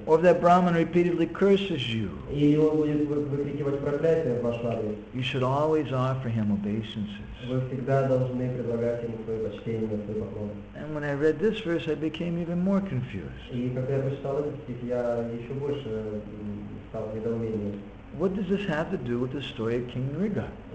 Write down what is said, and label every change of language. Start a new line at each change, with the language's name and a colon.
English: Or that Brahman repeatedly curses you.
Russian: Или он будет выкрикивать проклятие в ваш адрес.
English: You should always offer him obeisances.
Russian: Вы всегда должны предлагать ему свои почтения, свои поклоны.
English: And when I read this verse, I became even more confused.
Russian: И когда я прочитал этот стих, я еще больше стал недоумением.
English: What does this have to do with the story of King Nriga?